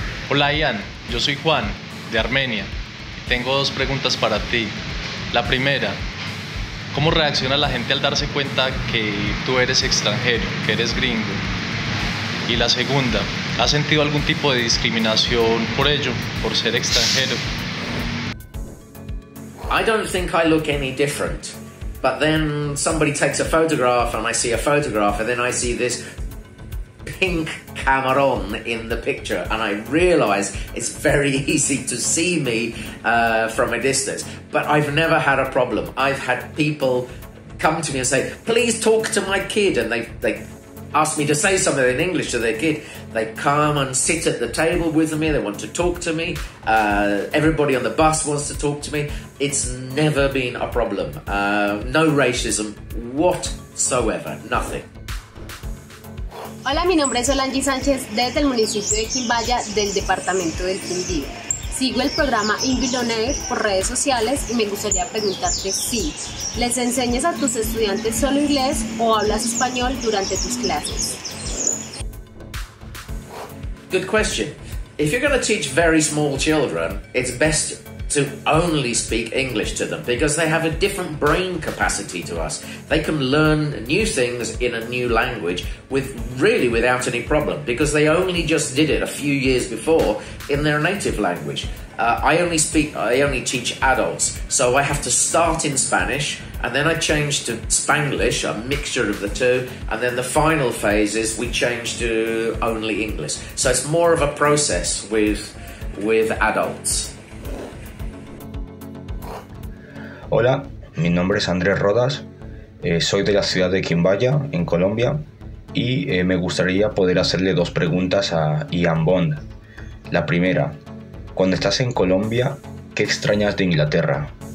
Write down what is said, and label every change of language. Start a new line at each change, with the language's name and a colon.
Spanish: Hola Ian, yo soy Juan, de Armenia, y tengo dos preguntas para ti. La primera, ¿cómo reacciona la gente al darse cuenta que tú eres extranjero, que eres gringo? Y la segunda, ¿has sentido algún tipo de discriminación por ello, por ser extranjero?
English: I don't think I look any different, but then somebody takes a photograph and I see a photograph and then I see this pink Cameron in the picture and I realize it's very easy to see me from a distance. But I've never had a problem. I've had people come to me and say, please talk to my kid, and they ask me to say something in English to their kid. They come and sit at the table with me, they want to talk to me. Everybody on the bus wants to talk to me. It's never been a problem. No racism whatsoever, nothing.
Spanish: Hola, mi nombre es Solange Sánchez, desde el municipio de Quimbaya, del departamento del Quindío. Sigo el programa Inville On Air por redes sociales y me gustaría preguntarte si les enseñas a tus estudiantes solo inglés o hablas español durante tus clases.
English: Good question. If you're going to teach very small children, it's best to only speak English to them because they have a different brain capacity to us. They can learn new things in a new language without any problem because they only just did it a few years before in their native language. I only teach adults, so I have to start in Spanish and then I change to Spanglish, a mixture of the two, and then the final phase is we change to only English. So it's more of a process with adults.
Spanish: Hola, mi nombre es Andrés Rodas, soy de la ciudad de Quimbaya, en Colombia, y me gustaría poder hacerle dos preguntas a Ian Bond. La primera, cuando estás en Colombia, ¿qué extrañas de Inglaterra?